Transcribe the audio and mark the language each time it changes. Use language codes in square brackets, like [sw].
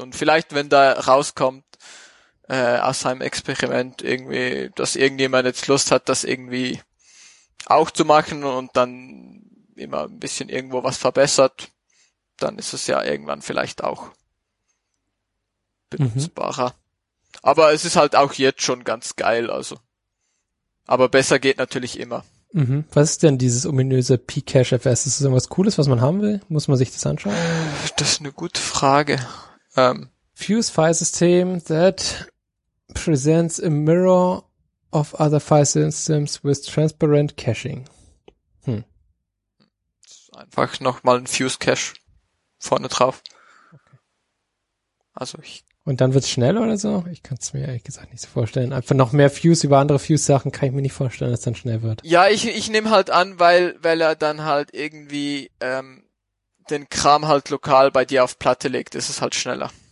[de] Und vielleicht, wenn da rauskommt, aus seinem Experiment irgendwie, dass irgendjemand jetzt Lust hat, das irgendwie auch zu machen und dann immer ein bisschen irgendwo was verbessert, dann ist es ja irgendwann vielleicht auch benutzbarer. Mhm. Aber es ist halt auch jetzt schon ganz geil, also. Aber besser geht natürlich immer. Mhm. Was ist denn dieses ominöse pcachefs? Ist das irgendwas Cooles, was man haben will? Muss man sich das anschauen? Das ist eine gute Frage. [en] Fuse file system that presents a mirror of other file systems with transparent caching. [de] Einfach nochmal ein Fuse Cache vorne drauf. Okay. Also ich. Und dann wird's schnell oder so? Ich kann es mir ehrlich gesagt nicht so vorstellen. Einfach noch mehr Fuse über andere Fuse-Sachen kann ich mir nicht vorstellen, dass es dann schnell wird. Ja, ich nehme halt an, weil er dann halt irgendwie den Kram halt lokal bei dir auf Platte legt, ist es halt schneller.